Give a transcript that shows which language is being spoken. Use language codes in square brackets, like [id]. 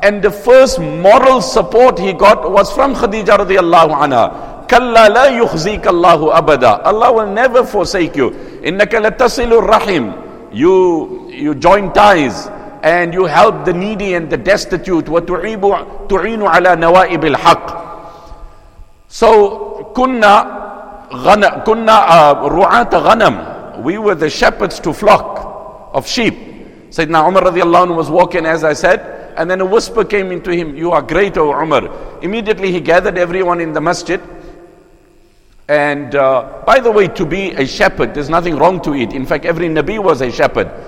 [en] And the first moral support he got was from Khadija radiallahu anha. [ar] Kalla la yukhzika Allahu abada. [en] Allah will never forsake you. [ar] Innaka latasilu rahim. [en] You join ties. and you help the needy and the destitute. [ar] وَتُعِينُ عَلَى نَوَائِبِ الْحَقِّ. [en] So, [ar] كُنَّا رُعَاتَ غَنَمْ. [en] We were the shepherds to flock of sheep. Sayyidina Umar radiallahu anhu was walking, as I said, and then a whisper came into him, "You are great, O Umar." Immediately he gathered everyone in the masjid. And by the way, to be a shepherd, there's nothing wrong to it. In fact, every Nabi was a shepherd.